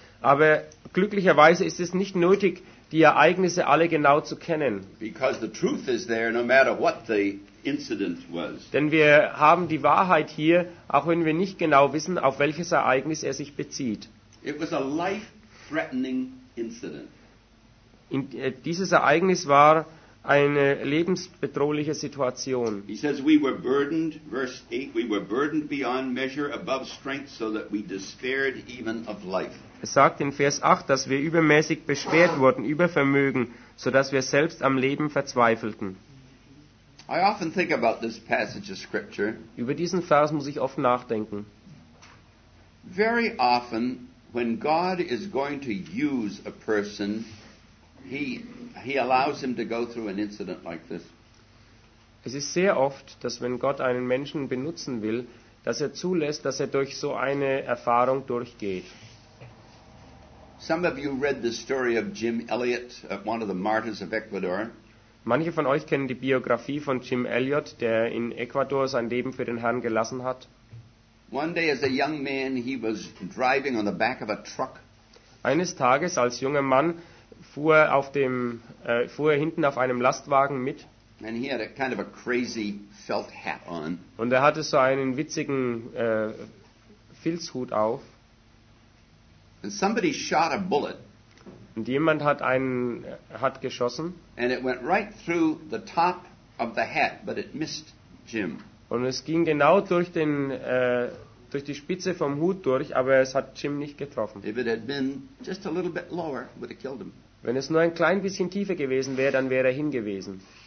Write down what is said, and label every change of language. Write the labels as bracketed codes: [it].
[de] Aber glücklicherweise ist es nicht nötig, die Ereignisse alle genau zu kennen. [en] Because the truth is there, no matter what the incident was. [de] Denn wir haben die Wahrheit hier, auch wenn wir nicht genau wissen, auf welches Ereignis er sich bezieht. [en] It was a life-threatening incident. [de] Dieses Ereignis war eine lebensbedrohliche Situation. [en] He says we were burdened, verse 8, we were burdened beyond measure above strength, so that we despaired even of life. [de] Es sagt in Vers 8, dass wir übermäßig beschwert wurden über Vermögen, sodass wir selbst am Leben verzweifelten. [en] I often think about this passage of scripture. [de] Über diesen Vers muss ich oft nachdenken. [en] Very often, when God is going to use a person, he allows him to go through an incident like this. [de] Es ist sehr oft, dass wenn Gott einen Menschen benutzen will, dass er zulässt, dass er durch so eine Erfahrung durchgeht. [en] Some of you read the story of Jim Elliot, one of the martyrs of Ecuador. [de] Manche von euch kennen die Biografie von Jim Elliot, der in Ecuador sein Leben für den Herrn gelassen hat. [en] One day as a young man he was driving on the back of a truck. [de] Eines Tages als junger Mann fuhr er hinten auf einem Lastwagen mit. [en] And he had a kind of a crazy felt hat on. [de] Und er hatte so einen witzigen Filzhut auf. [en] And somebody shot a bullet. [de] Und jemand hat geschossen. [en] And it went right through the top of the hat, but it missed Jim. [de] Und es ging genau durch die Spitze vom Hut durch, aber es hat Jim nicht getroffen. [en] If it had been just a little bit lower, it would have killed him. [de] Wenn es nur ein klein bisschen tiefer gewesen wäre, dann wäre er hingewesen.